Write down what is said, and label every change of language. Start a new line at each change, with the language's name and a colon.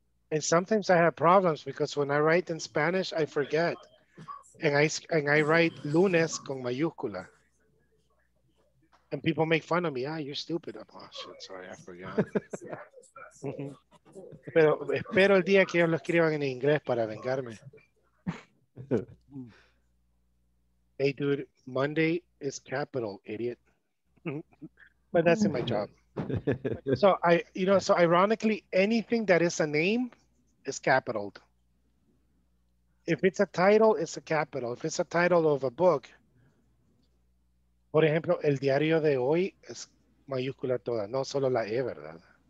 English: And sometimes I have problems because when I write in Spanish, I forget. And I write
Spanish: lunes con mayúscula.
English: And people make fun of me. Ah, you're stupid. I'm, oh, shit, sorry, I forgot.
Spanish: Pero espero el día que ellos lo escriban en inglés para vengarme.
English: Hey, dude, Monday is capital, idiot. But that's in my job. So I, you know, so ironically, anything that is a name is capitaled. If it's a title, it's a capital. If it's a title of a book,
Spanish: Por ejemplo, el diario de hoy es mayúscula toda, no solo la E, ¿verdad?